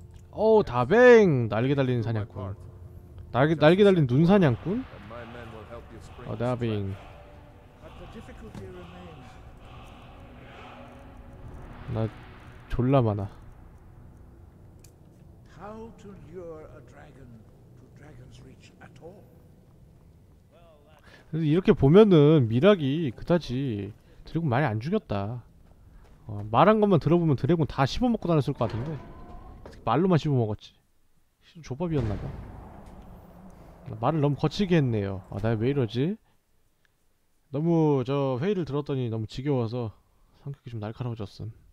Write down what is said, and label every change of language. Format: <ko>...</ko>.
<ko>오 다뱅 날개 달린 사냥꾼 날개 달린 눈 사냥꾼 어 다뱅 나 졸라 많아</ko> <en>How to lure a dragon to dragon's reach at all?</en> <ko>근데 이렇게 보면은 미락이 그다지 드래곤 많이 안 죽였다. 말한 것만 들어보면 드래곤 다 씹어 먹고 다녔을 것 같은데. 말로만 씹어먹었지. 조밥이었나봐. 말을 너무 거칠게 했네요. 아, 나 왜 이러지? 너무 저 회의를 들었더니 너무 지겨워서 성격이 좀 날카로워졌음.</ko>